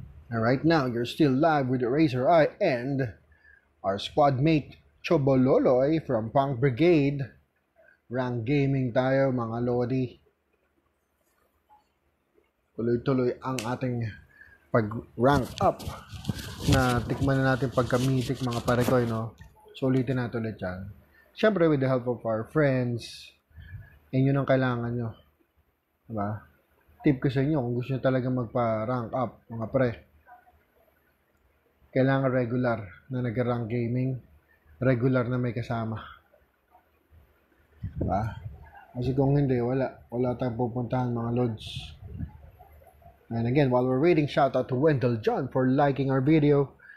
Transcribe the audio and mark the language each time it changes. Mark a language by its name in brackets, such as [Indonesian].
[English] And right now, you're still live with EraserEye and our squad mate, Chobololoy from Punk Brigade. [Filipino] Rank gaming tayo, mga lodi. Tuloy-tuloy ang ating pag-rank up na tikman na natin pagka-mythic, mga parekoy, no? So, ulitin natin ulit yan. Siyempre, with the help of our friends, yun yung kailangan nyo. Diba? Tip ko sa inyo, kung gusto nyo talaga magpa-rank up, mga pre, kailangan regular na nag-rank gaming, regular na may kasama. Diba? Kasi kung hindi, wala. Wala tayong pupuntahan, mga lods. [English] And again, while we're waiting, shout out to Wendell John for liking our video.